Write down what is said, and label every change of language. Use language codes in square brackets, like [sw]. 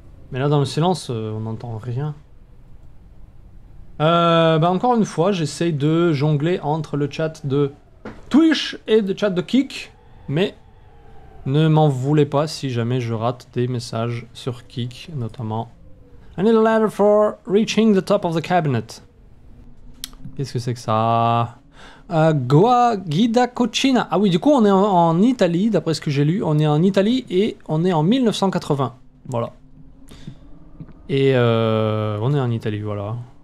[fr] Mais là, dans le silence, on n'entend rien. Bah encore une fois, j'essaye de jongler entre le chat de Twitch et le chat de Kick. Mais ne m'en voulez pas si jamais je rate des messages sur Kick, notamment... [en] I need a ladder for reaching the top of the cabinet. [fr] Qu'est-ce que c'est que ça? Guida Cucina. Ah oui, du coup, on est en Italie, d'après ce que j'ai lu. On est en Italie et on est en 1980. Voilà. Et on est en Italie, voilà.